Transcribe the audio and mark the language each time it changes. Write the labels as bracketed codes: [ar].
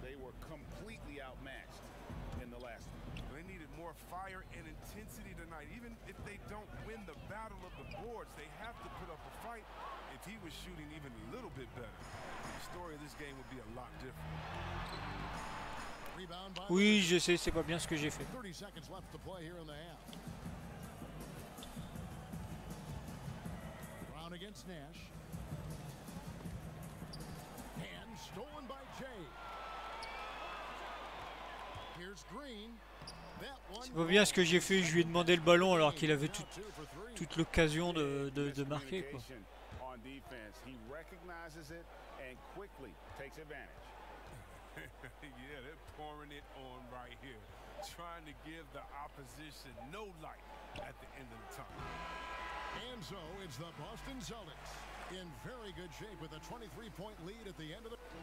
[en] They were completely outmatched in the last one. They needed more fire and intensity tonight. Even if they don't win the battle of the boards, they have to put up a fight. If he was shooting even a little bit better, the story of this game would be a lot different. [fr] Oui, je sais, c'est pas bien ce que j'ai fait. [en] Brown against Nash. Hand stolen by Jay. Here's Green. [fr] C'est pas bien ce que j'ai fait, je lui ai demandé le ballon alors qu'il avait toute l'occasion de marquer quoi. [en] Yeah, they're pouring it on right here, trying to give the opposition no light at the end of the tunnel. And so it's the Boston Celtics in very good shape with a 23-point lead at the end of the